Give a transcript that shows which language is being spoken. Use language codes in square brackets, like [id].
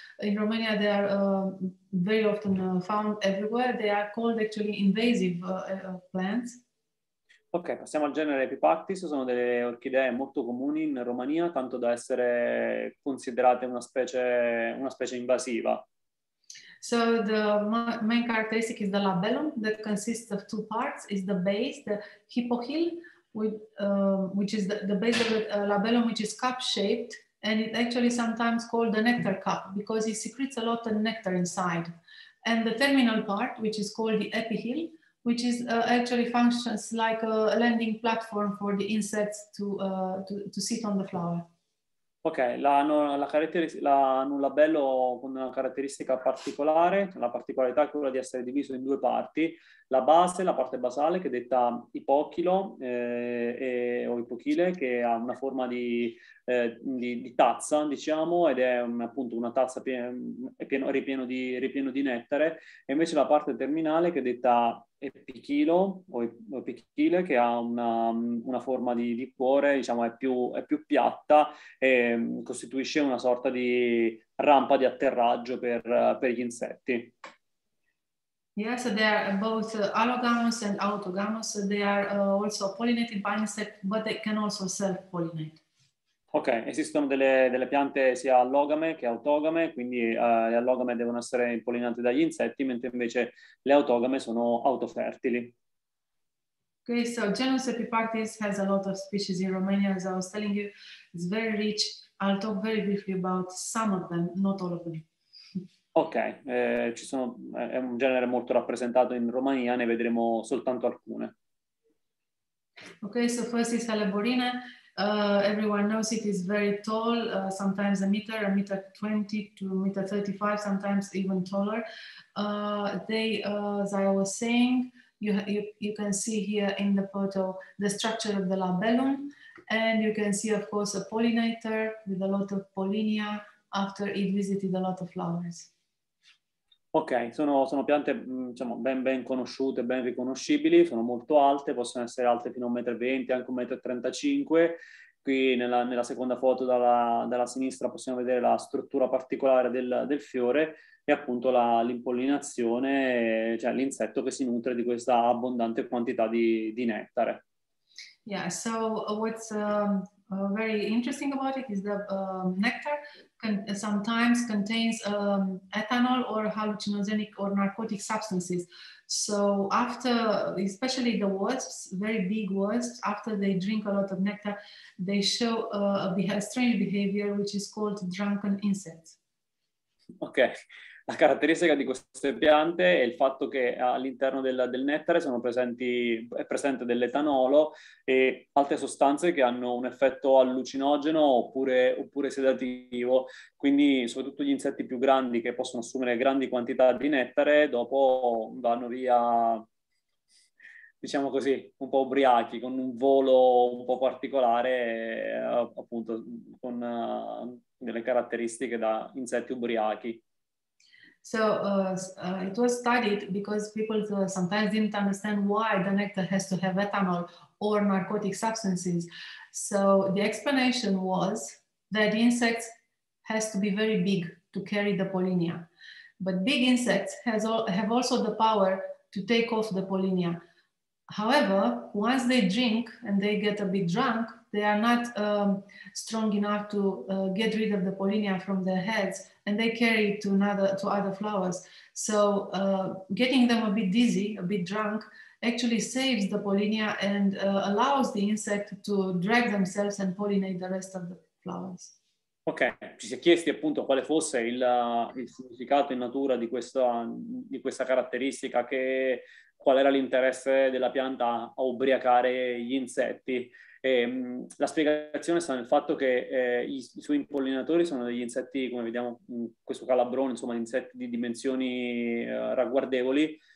[en] In Romania, they are very often found everywhere. They are called actually invasive plants. [it] Ok, passiamo al genere Epipactis, sono delle orchidee molto comuni in Romania, tanto da essere considerate una specie invasiva. [en] So the main characteristic is the labellum that consists of two parts, is the base, the hypohyle, which is the base of the labellum, which is cup-shaped, and it actually sometimes called the nectar cup, because it secretes a lot of nectar inside. And the terminal part, which is called the epihyle, which is actually functions like a landing platform for the insects to sit on the flower. [it] Ok, l'anulabello con una caratteristica particolare, la particolarità è quella di essere diviso in due parti, la base, la parte basale, che è detta ipochilo o ipochile, che ha una forma di tazza, diciamo, ed è appunto una tazza ripieno di nettare, e invece la parte terminale, che è detta epichilo o epichile, che ha una forma di cuore, diciamo, è più piatta e costituisce una sorta di rampa di atterraggio per gli insetti. [en] Yes, so they are both allogamous and autogamous. So they are also pollinated by insects, but they can also self-pollinate. [it] Ok, esistono delle piante sia allogame che autogame, quindi le allogame devono essere impollinate dagli insetti, mentre invece le autogame sono autofertili. [en] Ok, so Genus Epipactis has a lot of species in Romania, as I was telling you. It's very rich. I'll talk very briefly about some of them, not all of them. [it] Ok, è un genere molto rappresentato in Romania, ne vedremo soltanto alcune. [en] Ok, so first is Helleborina. Everyone knows it is very tall, sometimes a meter 20 to a meter 35, sometimes even taller. As I was saying, you can see here in the photo the structure of the labellum, and you can see, of course, a pollinator with a lot of pollinia after it visited a lot of flowers. [it] Ok, sono piante, diciamo, ben conosciute, ben riconoscibili, sono molto alte, possono essere alte fino a 1,20 m, anche 1,35 m. Qui nella seconda foto dalla sinistra possiamo vedere la struttura particolare del fiore e appunto l'impollinazione, cioè l'insetto che si nutre di questa abbondante quantità di nettare. [en] Yeah, so what's very interesting about it is the nectar sometimes contains ethanol or hallucinogenic or narcotic substances. So after, especially the wasps, very big wasps, after they drink a lot of nectar, they show a strange behavior, which is called drunken insects. Okay. [it] La caratteristica di queste piante è il fatto che all'interno del nettare è presente dell'etanolo e altre sostanze che hanno un effetto allucinogeno oppure sedativo. Quindi soprattutto gli insetti più grandi, che possono assumere grandi quantità di nettare, dopo vanno via, diciamo così, un po' ubriachi, con un volo un po' particolare, appunto con delle caratteristiche da insetti ubriachi. [en] So it was studied because people sometimes didn't understand why the nectar has to have ethanol or narcotic substances. So the explanation was that insects has to be very big to carry the pollinia. But big insects have also the power to take off the pollinia. However, once they drink and they get a bit drunk, they are not strong enough to get rid of the pollinia from their heads, and they carry it to other flowers. So getting them a bit dizzy, a bit drunk, actually saves the pollinia and allows the insect to drag themselves and pollinate the rest of the flowers. [it] Ok, ci si è chiesti appunto quale fosse il significato in natura di questa caratteristica, che qual era l'interesse della pianta a ubriacare gli insetti. La spiegazione sta nel fatto che i suoi impollinatori sono degli insetti, come vediamo in questo calabrone, insomma, insetti di dimensioni ragguardevoli,